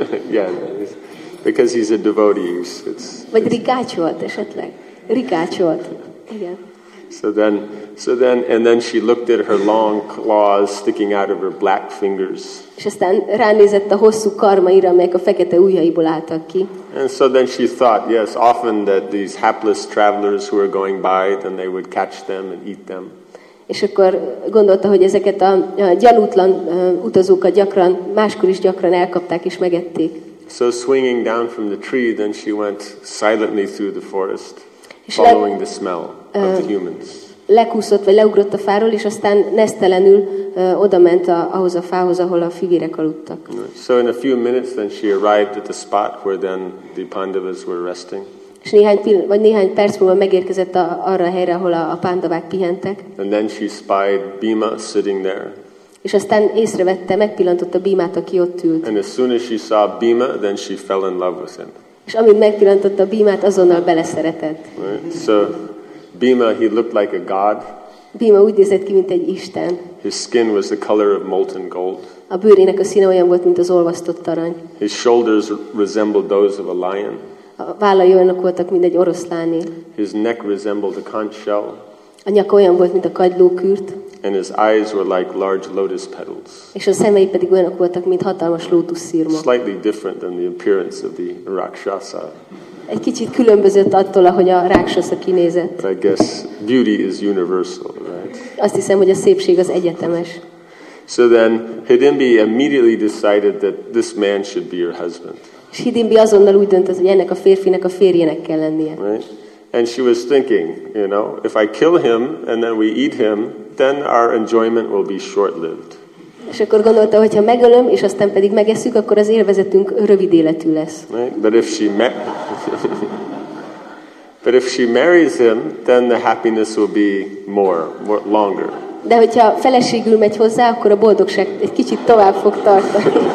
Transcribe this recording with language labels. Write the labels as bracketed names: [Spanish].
[English] Yeah, because he's a devotee. [Hungarian] Vagy rikácsolt esetleg. Rikácsolt. Igen. [English] So then she looked at her long claws sticking out of her black fingers. [Hungarian] És aztán ránézett a hosszú karmaira, amelyek a fekete ujjaiból álltak ki. [English] And so then she thought, yes, often that these hapless travelers who were going by, then they would catch them and eat them. [Hungarian] És akkor gondolta, hogy ezeket a gyanútlan utazókat gyakran, máskor is gyakran elkapták és megették. [English] So swinging down from the tree, then she went silently through the forest, following the smell. [Hungarian] Lekúszott vagy leugrott a fáról, és aztán nesztelenül odament ahhoz a fához, ahol a fivérek aludtak. [English] So in a few minutes then she arrived at the spot where then the Pandavas were resting. [Hungarian] És néhány perc múlva megérkezett arra a helyre, ahol a Pandavák pihentek. [English] And then she spied Bhima sitting there. [Hungarian] És aztán észrevette, megpillantotta Bhimát, aki ott ült. [English] And as soon as she saw Bhima, then she fell in love with him. [Hungarian] És amint megpillantotta Bhimát, azonnal beleszeretett. [English] Right. So Bhima, he looked like a god. [Hungarian] Bhima úgy nézett ki, mint egy isten. [English] His skin was the color of molten gold. [Hungarian] A bőrének a színe olyan volt, mint az olvasztott arany. [English] His shoulders resembled those of a lion. [Hungarian] A vállai olyanok voltak, mint egy oroszláné. [English] His neck resembled a conch shell. [Hungarian] A nyaka olyan volt, mint a kagylókürt. [English] And his eyes were like large lotus petals. [Hungarian] És a szemei pedig olyanok voltak, mint hatalmas lótuszszirma. [English] Slightly different than the appearance of the rakshasa. [Hungarian] Egy kicsit különbözött attól, ahogy a rákszasza kinézett. [English] But I guess beauty is universal, right? [Hungarian] Azt hiszem, hogy a szépség az egyetemes. [English] So then Hidimbi immediately decided that this man should be her husband. [Hungarian] És Hidimbi azonnal úgy döntött, hogy ennek a férfinek a férjének kell lennie. [English] Right? And she was thinking, you know, if I kill him and then we eat him, then our enjoyment will be short-lived. [Hungarian] És akkor gondolta, hogy ha megölöm, és aztán pedig megesszük, akkor az élvezetünk rövid életű lesz. [English] Right? But if she But if she marries him, then the happiness will be more longer. [Hungarian] De hogyha feleségül megy hozzá, akkor a boldogság egy kicsit tovább fog tartani.